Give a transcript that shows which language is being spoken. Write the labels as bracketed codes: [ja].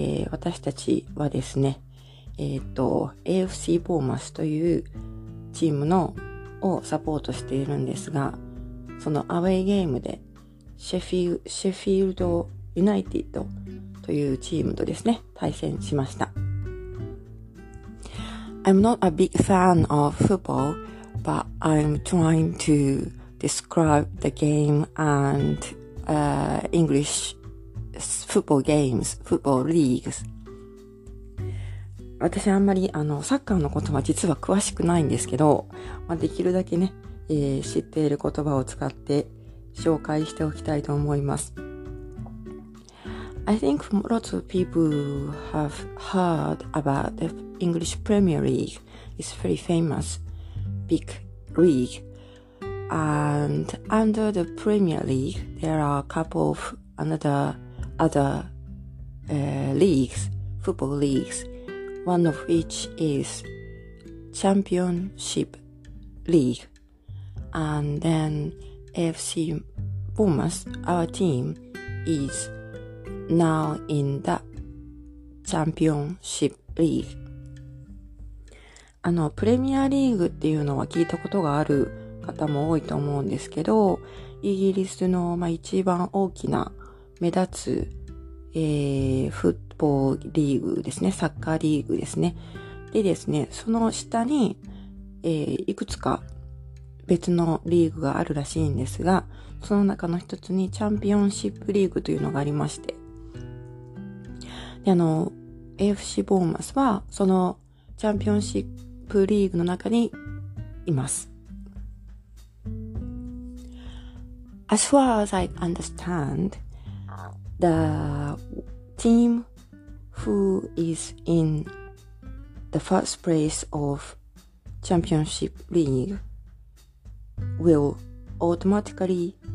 [ja] 私たちはですね、AFC ボーマスというチームのをサポートしているんですが、そのアウェイゲームでシェフィールドユナイテッドというチームとですね、対戦しました。 [en] I'm not a big fan of football, but I'm trying to describe the game and English football games, football leagues. [ja] 私あんまりサッカーのことは実は詳しくないんですけど、まあ、できるだけね、知っている言葉を使って紹介しておきたいと思います。 [en] I think lots of people have heard about the English Premier League. It's a very famous big league. And under the Premier League, there are a couple of other leagues, football leagues, one of which is Championship League. And then AFC Bournemouth, our team, is now in that Championship League. [ja] プレミアリーグっていうのは聞いたことがある方も多いと思うんですけど、イギリスの、まあ、一番大きな目立つ、フットボールリーグですね、サッカーリーグですね。でですね、その下に、いくつか別のリーグがあるらしいんですが、その中の一つにチャンピオンシップリーグというのがありまして、で、AFC ボーマスはそのチャンピオンシップリーグの中にいます。 As far as I understand, the team who is in the first place of Championship League will automatically